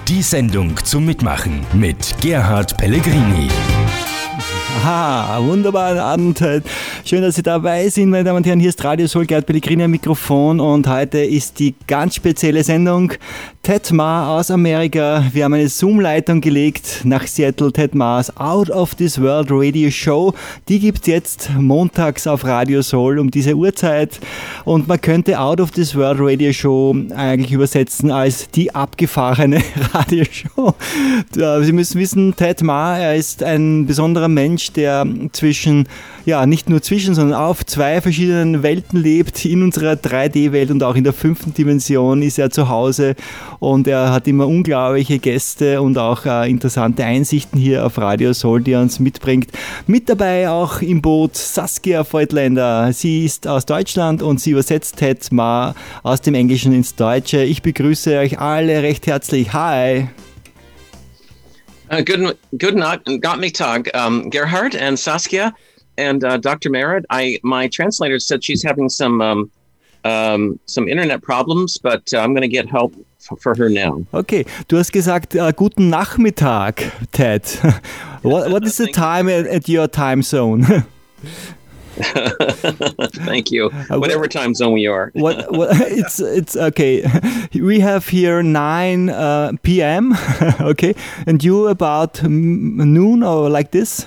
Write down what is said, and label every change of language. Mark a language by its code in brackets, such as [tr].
[de] Die Sendung zum Mitmachen mit Gerhard Pellegrini. Aha, wunderbaren Abend. Schön, dass Sie dabei sind, meine Damen und Herren. Hier ist Radio Soul, Gerhard Pellegrini am Mikrofon. Und heute ist die ganz spezielle Sendung. Ted Ma aus Amerika. Wir haben eine Zoom-Leitung gelegt nach Seattle. Ted Ma's Out of This World Radio Show. Die gibt es jetzt montags auf Radio Soul um diese Uhrzeit. Und man könnte Out of This World Radio Show eigentlich übersetzen als die abgefahrene Radioshow. Sie müssen wissen, Ted Ma, er ist ein besonderer Mensch, der zwischen, ja, nicht nur zwischen, sondern auf zwei verschiedenen Welten lebt. In unserer 3D-Welt und auch in der fünften Dimension ist er zu Hause. Und er hat immer unglaubliche Gäste und auch interessante Einsichten hier auf Radio Soul, die er uns mitbringt. Mit dabei auch im Boot Saskia Voigtländer. Sie ist aus Deutschland und sie übersetzt Ted Ma aus dem Englischen ins Deutsche. Ich begrüße euch alle recht herzlich. [en] Hi! [de] Guten Nachmittag, Gerhard und Saskia und Dr. Merritt. [en] My translator said she's having some internet problems, but I'm going to get help for her now. [de] Okay, du hast gesagt, guten Nachmittag, Ted. [en] What is the time at your time zone? Thank you. Whatever time zone we are. it's okay. We have here 9 p.m. Okay, and you about noon or like this?